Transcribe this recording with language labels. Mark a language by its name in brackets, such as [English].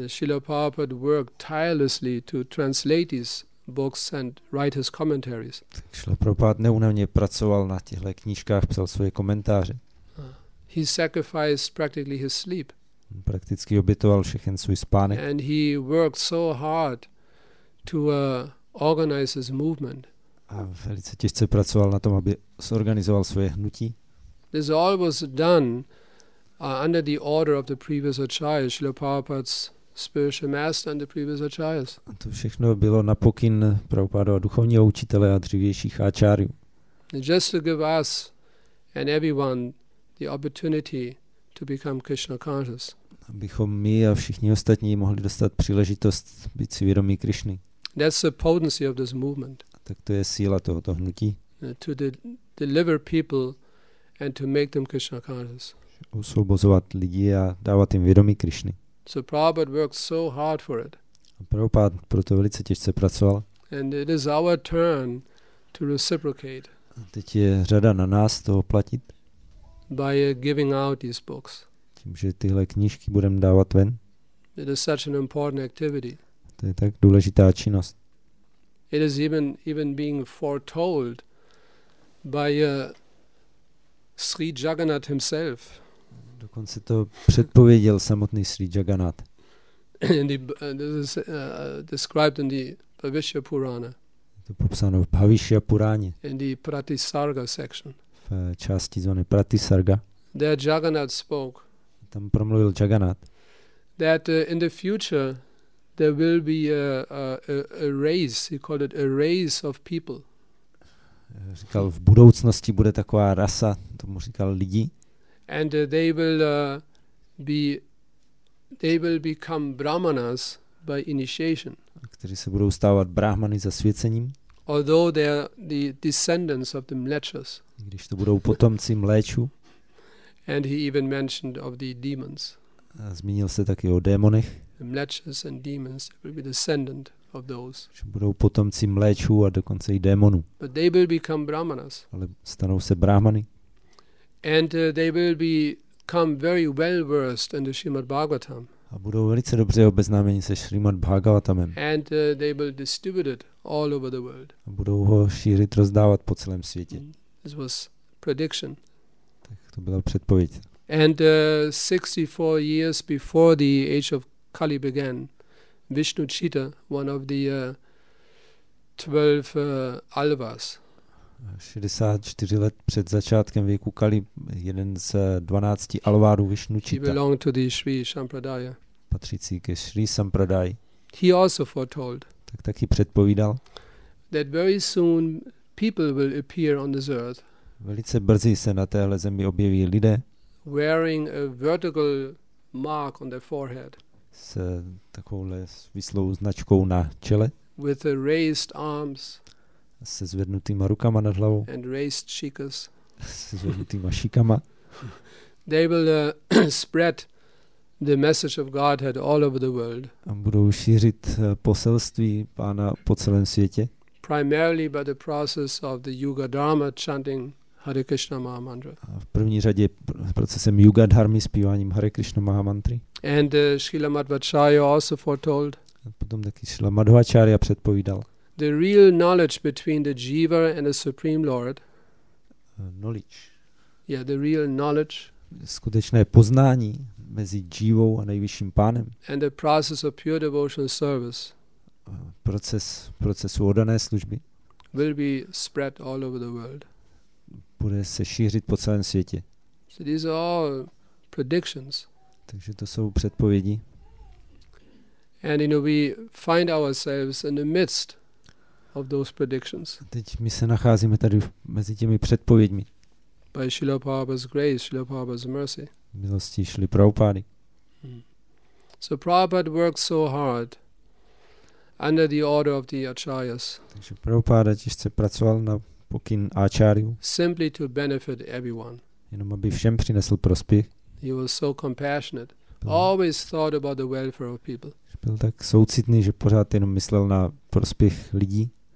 [English] Srila Prabhupada worked tirelessly to translate his books and write his commentaries. [Czech] Srila Prabhupada neúnavně pracoval na těchto knížkách, psal svoje komentáře. [English] He sacrificed practically his sleep. [Czech] Prakticky obětoval všechen svůj spánek. [English] And he worked so hard to organize his movement. [Czech] A velice těžce pracoval na tom, aby zorganizoval svoje hnutí. [English] This all was done under the order of the previous acharyas, Srila Prabhupada's spiritual master and the previous acharyas. [Czech] A to všechno bylo na pokyn Prabhupádova duchovního učitele a dřívějších acharyů. [English] Just to give us and everyone the opportunity to become Krishna conscious. [Czech] Abychom my a všichni ostatní mohli dostat příležitost být si vědomí Krišny. [English] That's the potency of this movement. [Czech] A tak to je síla tohoto hnutí. [English] To deliver people and to make them Krishna conscious. [Czech] Osvobozovat lidi a dávat jim vědomí Krišny. [English] So Prabhupada worked so hard for it. [Czech] A Prabhupada proto velice těžce pracoval. [English] And it is our turn to reciprocate. [Czech] A teď je řada na nás to platit. [English] By giving out these books. [Czech] Tím, že tyhle knížky budeme dávat ven. [English] It is such an important activity. [Czech] To je tak důležitá činnost. [English] It is even being foretold by Sri Jagannath himself. [Czech] Dokonce to předpověděl samotný Sri Jagannath. [English] This is described in the Bhavishya Purana. [Czech] To popsáno v Bhavishya Puráně. [English] In the Pratisarga section. [Czech] V části zóny Pratisarga. [English] There Jagannath spoke. [Czech] Tam promluvil Jagannath. [English] That in the future there will be a race, he called it a race of people. [Czech] Říkal, v budoucnosti bude taková rasa, tomu říkal lidi. [English] And they will become brahmanas by initiation. [Czech] Kteří se budou stávat brahmany zasvěcením. [English] Although they are the descendants of the mlechas. [Czech] Když to budou potomci mléčů. [English] And he even mentioned of the demons. [Czech] A zmínil se taky o démonech. [English] The mlechas and demons will be descendant of those. [Czech] Že budou potomci mléčů a dokonce i démonů. [English] But they will become brahmanas. [Czech] Ale stanou se brahmany. [English] And they will become very well versed in the Srimad Bhagavatam. [Czech] A budou velice dobře obeznámeni se Srimad Bhagavatamem. [English] And they will distribute it all over the world. [Czech] A budou ho šířit, rozdávat po celém světě. [English] This was prediction. [Czech] Tak to byla předpověď. [English] And 64 years before the age of Kali began, Vishnu Chita, one of the 12 alvas. [Czech] 64 let před začátkem věku Kali, jeden z 12 alvarů Vishnu Chita. [English] He belonged to the Sri Sampradaya. [Czech] Patřící ke Sri Sampradaya. [English] He also foretold. [Czech] Tak taky předpovídal. [English] That very soon people will appear on this earth. [Czech] Velice brzy se na téhle zemi objeví lidé. [English] Wearing a vertical mark on their forehead. [Czech] S takovou svislou značkou na čele. [English] With a raised arms. [Czech] Se zvednutýma rukama nad hlavou. [English] And raised shikas. [Czech] Se zvednutýma šikama. [English] They will spread the message of Godhead all over the world. [Czech] A budou šířit poselství Pána po celém světě. [English] Primarily by the process of the Yuga Dharma chanting Hare Krishna Maha Mantra. [Czech] A v první řadě procesem Yuga Dharmy zpíváním Hare Krishna Maha Mantry. [English] And Srila Madhvacharya also foretold. [Czech] A potom taky Srila Madhvacharya předpovídal. [English] The real knowledge between the Jiva and the Supreme Lord. Knowledge. Yeah, the real knowledge. [Czech] Skutečné poznání mezi Jivou a nejvyšším pánem. [English] And the process of pure devotional service. [Czech] Procesu oddané služby. [English] Will be spread all over the world. [Czech] Bude se šířit po celém světě. [English] So these are all predictions. [Czech] Takže to jsou předpovědi. [English] And you know, we find ourselves in the midst of those predictions. [Czech] Teď my se nacházíme tady mezi těmi předpověďmi. [English] By Srila Prabhupada's grace, Srila Prabhupada's mercy. [Czech] Milosti Srily Prabhupady. [English] So Prabhupada worked so hard under the order of the acharyas. [Czech] Takže Prabhupada těžce pracoval na pokyn áčáriů. [English] Simply to benefit everyone. [Czech] Jenom aby všem přinesl prospěch. [English] He was so compassionate. Always thought about the welfare of people. [Czech] Byl tak soucitný, že pořád jenom myslel na prospěch lidí.